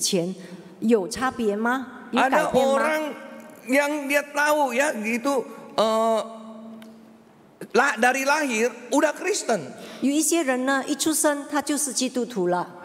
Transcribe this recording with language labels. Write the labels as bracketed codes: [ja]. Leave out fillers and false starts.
[zh] 请问弟兄姐妹们，当你们信主之后跟你们未信主之前有差别吗？ [id] Ada orang yang dia tahu ya gitu, dari lahir udah Kristen. [zh] 有一些人呢，一出生他就是基督徒了。